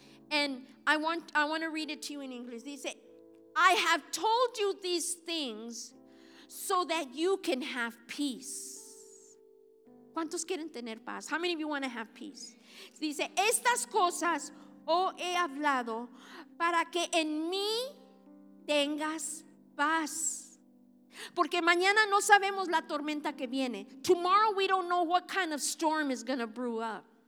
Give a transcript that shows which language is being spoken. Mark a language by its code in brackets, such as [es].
[en] And I want to read it to you in English. Dice, I have told you these things so that you can have peace. [es] ¿Cuántos quieren tener paz? [en] How many of you want to have peace? [es] Dice, estas cosas he hablado para que en mí tengas paz. Porque mañana no sabemos la tormenta que viene. [en] Tomorrow we don't know what kind of storm is going to brew up.